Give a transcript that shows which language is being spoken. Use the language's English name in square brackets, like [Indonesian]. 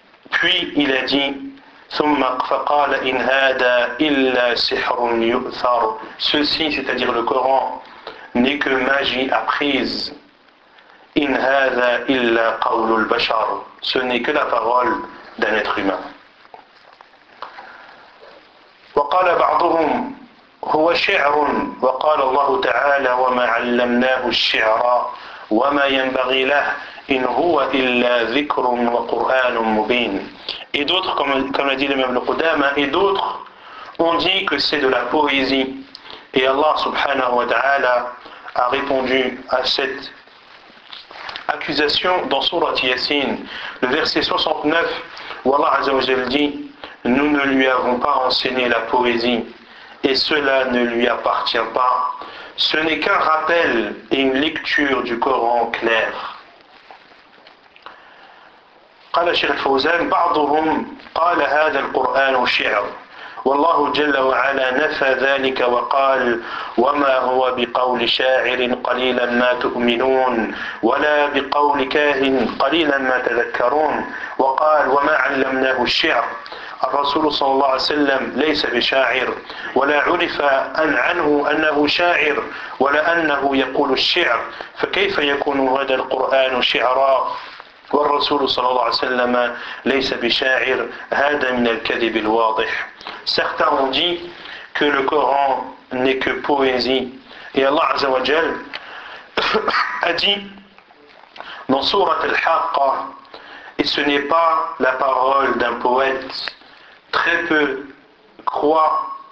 [French] Puis il a dit « [Arabic] ثُمَّ فَقَالَ إِنْ هَذَا إِلَّا سِحْرٌ يُؤْثَرُ [French] » Ceci, c'est-à-dire le Coran, n'est que magie apprise. « [Arabic] إِنْ هَذَا إِلَّا قَوْلُ الْبَشَرُ [French] » Ce n'est que la parole d'un être humain. [Arabic] « وَقَالَ بَعْضُهُمْ هُوَ شِعْرٌ وَقَالَ اللَّهُ تَعَالَى وَمَا عَلَّمْنَاهُ الشِّعْرَ وَمَا يَنْبَغِي لَهُ إِنْ هُوَ إِلَّا ذِكْرٌ وَقُرْآنٌ مُبِينٌ » [French] Et d'autres, comme l'a dit l'imam al-Qudama, et d'autres ont dit que c'est de la poésie. Et Allah subhanahu wa ta'ala a répondu à cette accusation dans Surat Yassin, le verset 69, où Allah Azza wa Jalla dit « Nous ne lui avons pas enseigné la poésie, et cela ne lui appartient pas. Ce n'est qu'un rappel et une lecture du Coran clair. » [Arabic] قال الشيخ الفوزان بعضهم قال هذا القرآن شعر والله جل وعلا نفى ذلك وقال وما هو بقول شاعر قليلا ما تؤمنون ولا بقول كاهن قليلا ما تذكرون وقال وما علمناه الشعر الرسول صلى الله عليه وسلم ليس بشاعر ولا عرف عنه أنه شاعر ولا أنه يقول الشعر فكيف يكون هذا القرآن شعرا والرسول صلى الله عليه وسلم ليس بشاعر هذا من الكذب الواضح. [French] Certains ont dit que le Coran n'est que poésie. Et Allah Azza wa Jal a dit dans Sourate Al-Haqqa, et ce n'est pas la parole d'un poète, très peu croient.